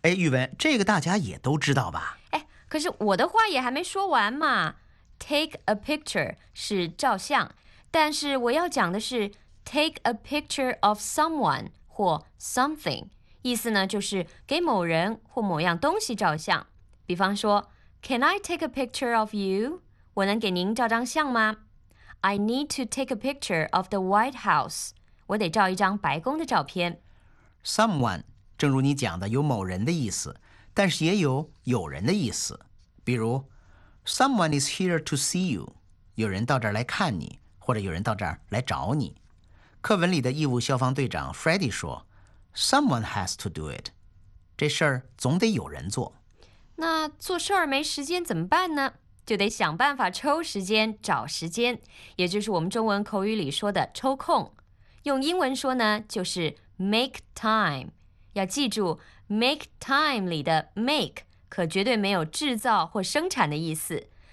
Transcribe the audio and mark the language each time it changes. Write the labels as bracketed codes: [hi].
[zh] 哎，玉文，这个大家也都知道吧。哎，可是我的话也还没说完嘛。take a picture 是照相，但是我要讲的是 take a picture of someone 或 something， 意思呢就是给某人或某样东西照相。比方说 [en] can I take a picture of you， [zh] 我能给您照张相吗？ [en] I need to take a picture of the White House. [zh] 我得照一张白宫的照片。 Someone, 正如你讲的，有某人的意思，但是也有有人的意思。比如 [en] ，Someone is here to see you. [zh] 有人到这儿来看你，或者有人到这儿来找你。课文里的义务消防队长 Freddy 说 ， [en] Someone has to do it. [zh] 这事儿总得有人做。那做事儿没时间怎么办呢？就得想办法抽时间找时间，也就是我们中文口语里说的抽空。用英文说呢，就是 make time。要记住 make time 里的 make 可绝对没有制造或生产的意思。